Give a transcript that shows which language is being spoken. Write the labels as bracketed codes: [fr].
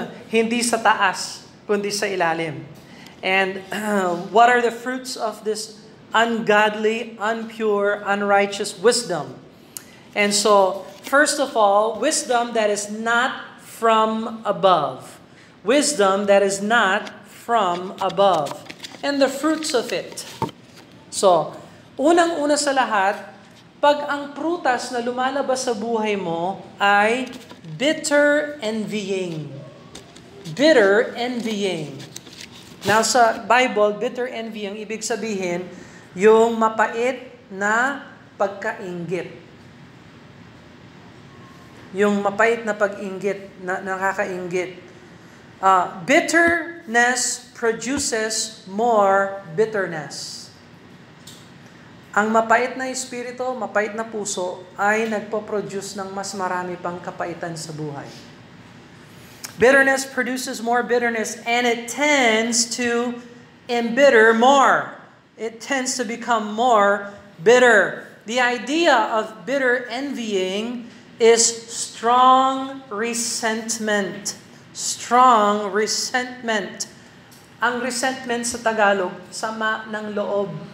[tl] Hindi sa taas, kundi sa ilalim. [en] And what are the fruits of this ungodly, unpure, unrighteous wisdom? And so, first of all, wisdom that is not from above. Wisdom that is not from above. And the fruits of it. [tl] So, unang-una sa lahat, pag ang prutas na lumalabas sa buhay mo ay [en] bitter envying. Bitter envying. Now, [tl] sa Bible, bitter envying, ibig sabihin, yung mapait na pagkainggit. Yung mapait na pag-inggit, na nakakainggit. [en] Bitterness produces more bitterness. [tl] Ang mapait na espiritu, mapait na puso, ay nagpo-produce ng mas marami pang kapaitan sa buhay. [en] Bitterness produces more bitterness and it tends to embitter more. It tends to become more bitter. The idea of bitter envying is strong resentment. Strong resentment. [tl] Ang resentment sa Tagalog, sama ng loob.